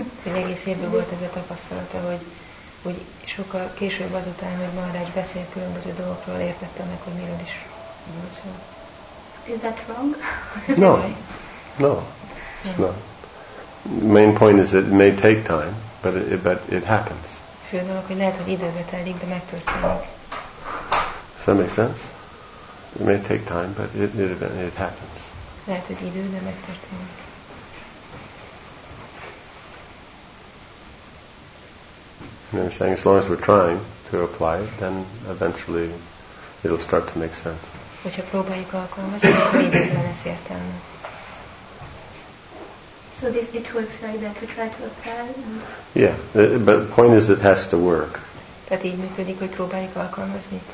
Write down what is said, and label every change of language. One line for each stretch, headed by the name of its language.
Hungarian: Egész évben volt ez a tapasztalata, hogy sokkal később azután, hogy Maharaj beszélt különböző dolgokról, értettem meg, hogy miről is volt szó.
English: Is that wrong? No. No. It's not. The main point is it may take time, but it happens.
Hungarian: Fő dolog, hogy lehet, hogy időbe telik, de megtörténik.
English: Does that make sense? It may take time, but it happens.
Hungarian: Lehet, hogy idő, de megtörténik.
English: You know, saying as long as we're trying to apply it, then eventually it'll start to make sense.
Hungarian: Hogyha próbáljuk alkalmazni, akkor időben lesz értelme.
English: So this it works like that. We try to apply. Yeah, but the point is, it has to work.
Hungarian: Tehát így működik, hogy próbáljuk alkalmazni.